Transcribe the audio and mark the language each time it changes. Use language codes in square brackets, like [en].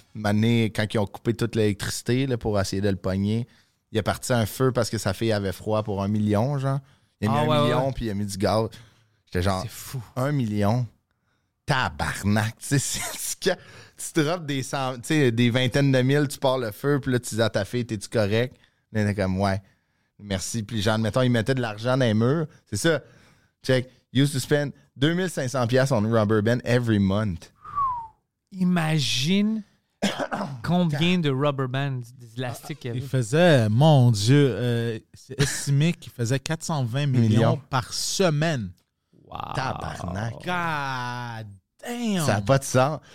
[fr] Maintenant, quand ils ont coupé toute l'électricité, là, pour essayer de le pogner, il a parti un feu parce que sa fille avait froid pour 1 million, genre. Il a mis million, puis il a mis du gaz. J'étais genre, c'est fou. 1 million. Tabarnak, tu sais, c'est... Tu drops des cent, des vingtaines de mille, tu pars le feu, puis là, tu dis à ta fille, t'es-tu correct? Elle était comme, ouais, merci. Puis genre, mettons, ils mettaient de l'argent dans les murs. C'est ça. [en] Check. Used to spend 2 500 $ on rubber band every month. [fr] Imagine combien de [en] rubber bands [fr] d'élastique il faisait, mon Dieu, c'est estimé qu'il faisait 420 millions par semaine. Wow. Tabarnak. [en] God. Damn. [fr] Ça n'a pas de sens.